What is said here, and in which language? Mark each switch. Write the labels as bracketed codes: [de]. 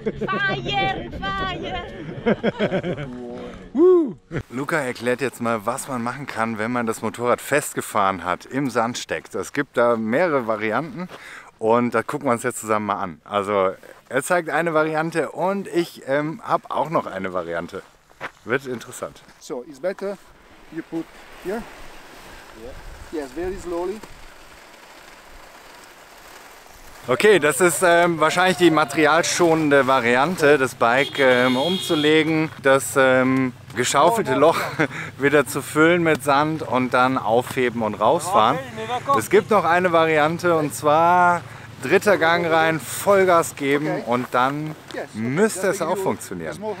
[en] Fire! Fire! [de] Luca erklärt jetzt mal, was man machen kann, wenn man das Motorrad festgefahren hat, im Sand steckt. Es gibt da mehrere Varianten und da gucken wir uns jetzt zusammen mal an. Also er zeigt eine Variante und ich habe auch noch eine Variante. Wird interessant. [en] So, it's better you put here. Yeah. Yes, very slowly. [de] Okay, das ist wahrscheinlich die materialschonende Variante, das Bike umzulegen, das geschaufelte Loch wieder zu füllen mit Sand und dann aufheben und rausfahren. Es gibt noch eine Variante und zwar dritter Gang rein, Vollgas geben und dann müsste es auch funktionieren.